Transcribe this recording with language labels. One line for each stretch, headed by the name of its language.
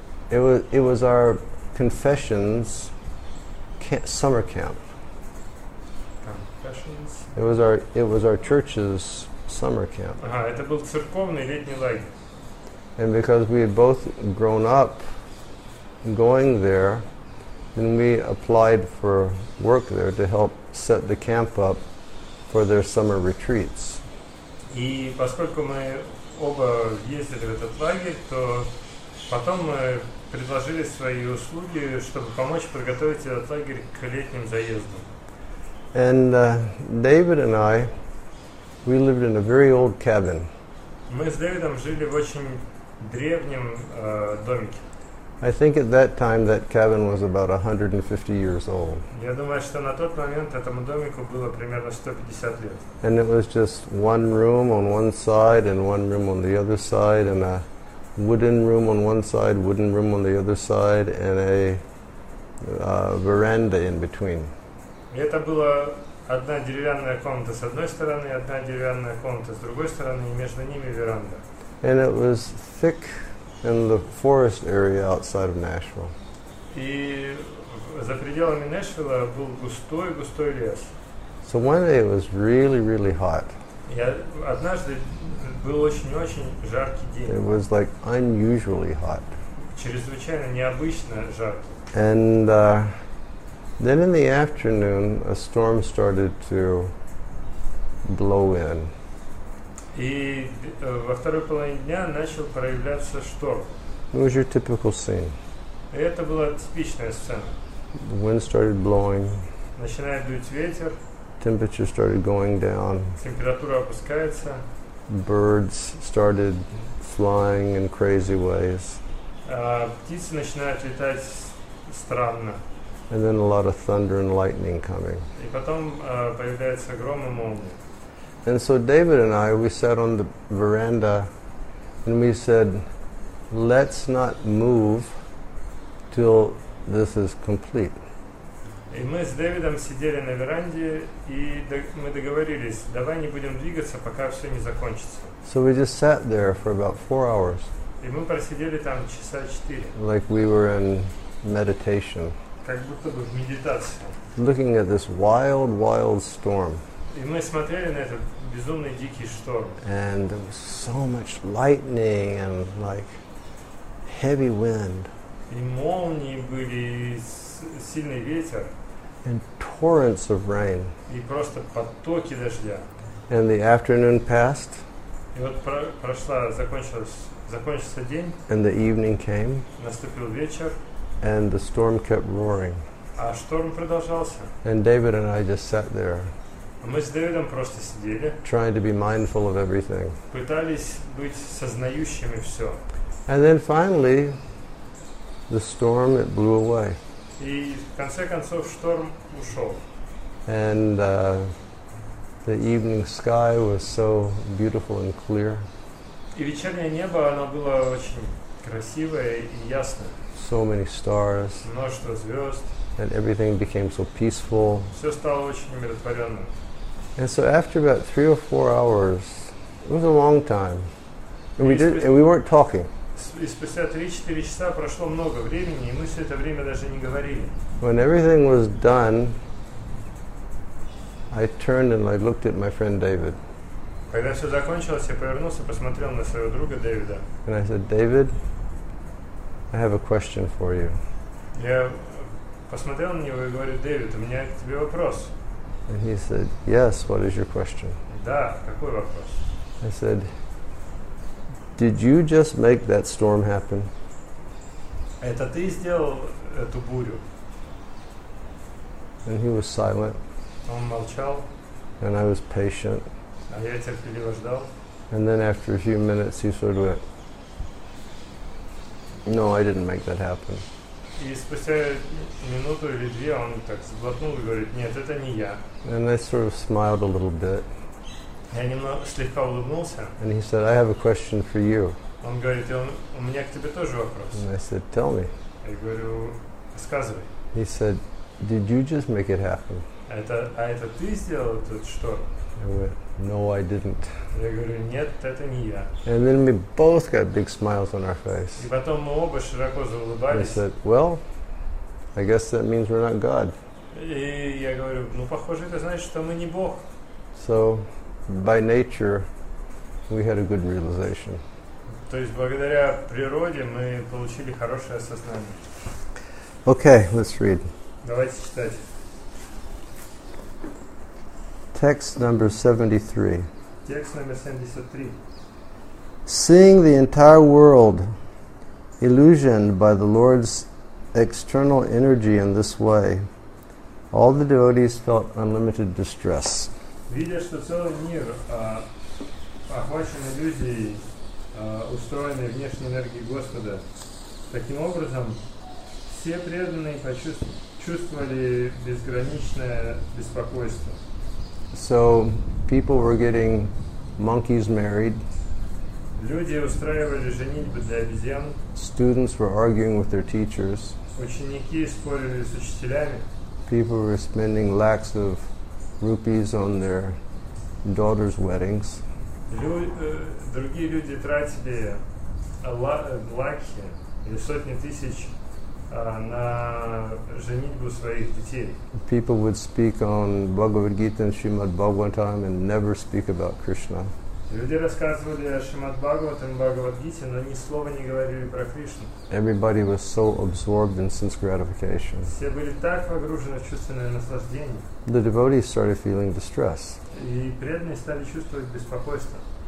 English: It was our confessions summer camp. Confessions. It was our church's summer camp.
Russian: Ага, это был церковный летний лагерь.
English: And because we had both grown up going there, then we applied for work there to help set the camp up for their summer retreats.
Russian: И поскольку мы оба ездили в этот лагерь, то потом мы предложили свои услуги, чтобы помочь подготовить этот лагерь к летним заездам.
English: And David and I, we lived in a very old cabin.
Russian: Мы с Дэвидом жили в очень древнем домике.
English: I think at that time that cabin was about 150 years old.
Russian: Я думаю, что на тот момент этому домику было примерно 150 лет.
English: And it was just one room on one side and one room on the other side and a wooden room on one side, wooden room on the other side and a veranda in between.
Russian: И это была одна деревянная комната с одной стороны, одна деревянная комната с другой стороны и между ними веранда.
English: And it was thick in the forest area outside of Nashville.
Russian: И за пределами Нэшвилла был густой-густой лес.
English: So one day it was really, really hot.
Russian: И однажды был очень-очень жаркий день.
English: It was like unusually hot.
Russian: Чрезвычайно необычно жаркий.
English: And then in the afternoon a storm started to blow in.
Russian: И во второй половине дня начал проявляться шторм.
English: It was your typical scene.
Russian: И это была типичная сцена.
English: The wind started blowing.
Russian: Начинает дуть ветер.
English: Temperature started going down.
Russian: Температура опускается.
English: Birds started flying in crazy ways.
Russian: Птицы начинают летать странно.
English: And then a lot of thunder and lightning coming.
Russian: И потом появляется гром и молния.
English: And so David and I, we sat on the veranda and we said, let's not move till this is complete.
Russian: И мы с Дэвидом сидели на веранде и мы договорились, давай не будем двигаться, пока все не закончится.
English: So we just sat there for about 4 hours.
Russian: И мы просидели там часа 4.
English: Like we were in meditation.
Russian: Как будто бы в медитации.
English: Looking at this wild, wild storm.
Russian: И мы смотрели на этот безумный дикий шторм.
English: And there was so much lightning and like heavy wind.
Russian: И молнии были, сильный ветер.
English: And torrents of rain.
Russian: И просто потоки дождя.
English: And the afternoon passed.
Russian: И вот прошла, закончился день.
English: And the evening came.
Russian: Наступил вечер.
English: And the storm kept roaring.
Russian: А шторм продолжался.
English: And David and I just sat there.
Russian: Мы с Дэвидом просто сидели.
English: Trying to be mindful of everything.
Russian: Пытались быть сознающими все.
English: And then finally, the storm, it blew away.
Russian: И в конце концов шторм ушел.
English: And the evening sky was so beautiful and clear.
Russian: И вечернее небо, оно было очень красивое и ясное.
English: So many stars.
Russian: Множество звезд.
English: And everything became so peaceful.
Russian: Все стало очень умиротворенным.
English: And so after about 3 or 4 hours, it was a long time, and we weren't talking.
Russian: И спустя 3-4 часа прошло много времени, и мы все это время даже не говорили.
English: When everything was done, I turned and I looked at my friend David.
Russian: Когда все закончилось, я повернулся, посмотрел на своего друга Дэвида.
English: And I said, David, I have a question for you.
Russian: Я посмотрел на него и говорю: Дэвид, у меня к тебе вопрос.
English: And he said, yes, what is your question?
Russian: Да, какой вопрос?
English: I said, did you just make that storm happen?
Russian: Это ты сделал эту бурю?
English: And he was silent.
Russian: Он молчал.
English: And I was patient.
Russian: А я терпеливо ждал.
English: And then after a few minutes, he sort of went, no, I didn't make that happen.
Russian: И спустя минуту или две он так сглотнул и говорит: нет, это не я.
English: And I sort of smiled a little bit.
Russian: Я немного слегка улыбнулся.
English: And he said, I have a question for you.
Russian: Он говорит: у меня к тебе тоже вопрос.
English: And I said, tell me.
Russian: Я говорю: рассказывай.
English: He said, did you just make it happen?
Russian: А это ты сделал этот шторм?
English: I went, no, I didn't.
Russian: Я говорю: нет, это не я.
English: And then we both got big smiles on our face.
Russian: И потом мы оба широко заулыбались.
English: He said, well, I guess that means we're not God.
Russian: И я говорю: ну, похоже, это значит, что мы не Бог.
English: So, by nature, we had a good realization.
Russian: То есть, благодаря природе, мы получили хорошее осознание.
English: Okay, let's read.
Russian: Давайте читать.
English: Text number 73. Text number 73. Seeing the entire world illusioned by the Lord's external energy in this way, all the devotees felt unlimited distress.
Russian: Видя, что целый мир охвачен иллюзией, устроенной внешней энергией Господа, таким образом все преданные чувствовали безграничное беспокойство.
English: So people were getting monkeys married.
Russian: Люди устраивали женитьбы для обезьян.
English: Students were arguing with their teachers.
Russian: Ученики спорили с учителями.
English: People were spending lakhs of rupees on their daughters' weddings.
Russian: Другие люди тратили лакхи или сотни тысяч на женитьбу своих детей.
English: People would speak on Bhagavad Gita and Srimad Bhagavatam and never speak about Krishna.
Russian: Люди рассказывали о Шримад Бхагаватам и Бхагавад Гите, но ни слова не говорили про Кришну.
English: Everybody was so absorbed in sense gratification.
Russian: Все были так погружены в чувственное наслаждение.
English: The devotees started feeling distress.
Russian: И преданные стали чувствовать беспокойство.